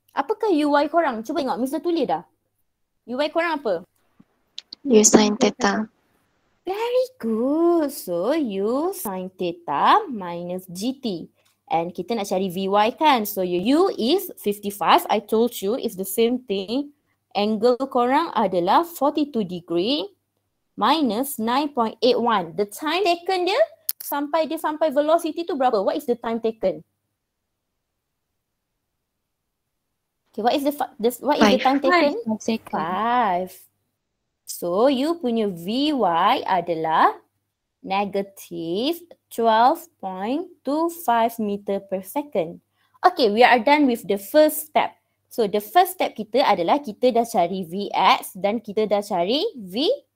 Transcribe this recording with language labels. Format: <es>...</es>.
<ms>Apakah Uy korang? Cuba ingat, Mr. Tulia dah. Uy korang apa?</ms> <en>U sin theta. Very good. So, U sin theta minus GT.</en> <ms>And kita nak cari Vy kan.</ms> <en>So your U is 55. I told you it's the same thing.</en> <ms>Angle korang adalah 42 degree minus 9.81.</ms> <en>The time taken</en> <ms>dia sampai dia sampai velocity tu berapa?</ms> <en>What is the time taken? Okay, what is the time taken? 5. So you</en> <ms>punya Vy adalah</ms> <en>negative 12.25 meter per second. Okay, we are done with the first step. So, the first step</en> <ms>kita adalah kita dah cari Vx dan kita dah cari Vy.</ms>